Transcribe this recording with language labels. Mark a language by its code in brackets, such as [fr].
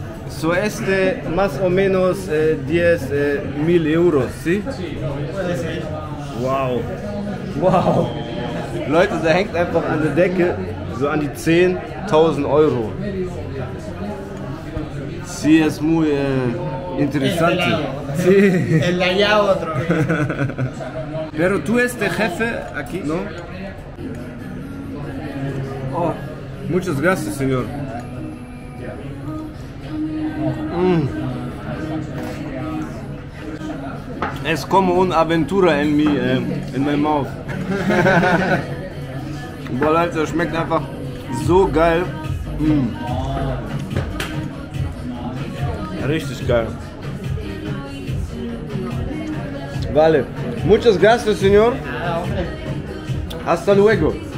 [es] So este más o menos 10 mil euros, ¿sí? Sí. Wow. Wow. [de] Leute, da hängt einfach an der Decke so an die 10.000 Euro. [es] Sí, es muy interesante. Sí. El allá otro. Pero tú este jefe aquí, ¿no? Oh, muchas gracias, señor. Es como una aventura en mi, [en] in my mouth. [de] Boah, Leute, das schmeckt einfach so geil. Mm. Richtig geil. [es] Vale. Muchas gracias, señor. Hasta luego.